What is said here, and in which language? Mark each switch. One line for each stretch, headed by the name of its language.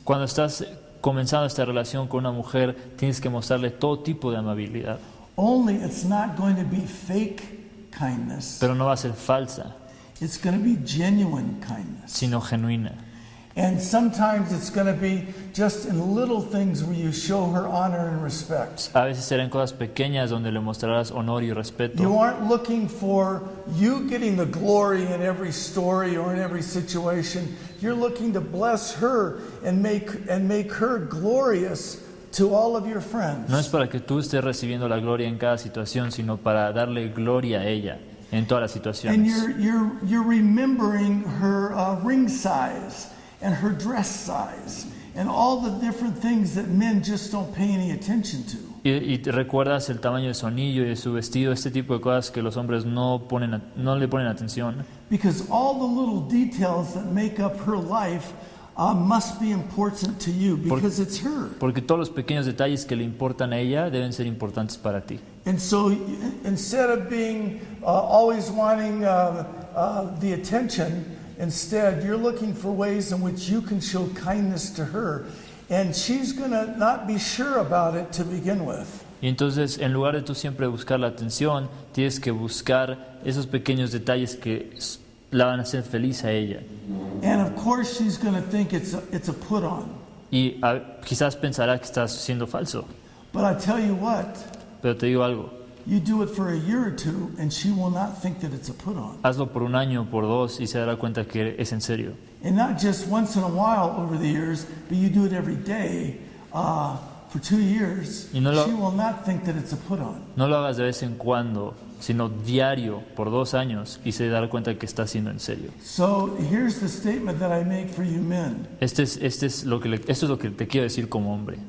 Spanish: Cuando estás comenzando esta relación con una mujer, tienes que mostrarle todo tipo de amabilidad.
English: Only it's not going to be fake kindness.
Spanish: Pero no va a ser falsa.
English: It's going to be genuine kindness.
Spanish: Sino genuina.
English: And sometimes it's going to be just in little things where you show her honor and respect.
Spanish: A veces será en cosas pequeñas donde le mostrarás honor y respeto.
English: You aren't looking for you getting the glory in every story or in every situation. You're looking to bless her and make her glorious to all of your friends.
Spanish: No es para que tú estés recibiendo la gloria en cada situación, sino para darle gloria a ella en todas las situaciones.
English: And you're remembering her ring size and her dress size and all the different things that men just don't pay any attention to.
Spanish: Y recuerdas el tamaño de su anillo y de su vestido, este tipo de cosas que los hombres no le ponen atención.
English: Because all the little details that make up her life must be important to you because it's her.
Spanish: Porque todos los pequeños detalles que le importan a ella deben ser importantes para ti.
English: And so instead of being always wanting the attention, instead you're looking for ways in which you can show kindness to her, and she's going to not be sure about it to begin with.
Spanish: Y entonces, en lugar de tú siempre buscar la atención, tienes que buscar esos pequeños detalles que la van a hacer feliz a ella.
English: And of course she's going to think it's a put on.
Spanish: Y quizás pensará que estás siendo falso.
English: But I tell you what.
Spanish: Pero te digo algo.
English: You do it for a year or two, and she will not think that it's a put-on.
Spanish: Hazlo por un año, por dos, y se dará cuenta que es en serio.
English: And not just once in a while over the years, but you do it every day for 2 years. She will not think that it's a put-on.
Spanish: No lo hagas de vez en cuando, sino diario por 2 años, y se dará cuenta que está siendo en serio.
English: So here's the statement that I make for you men.
Spanish: Esto es lo que te quiero decir como hombre.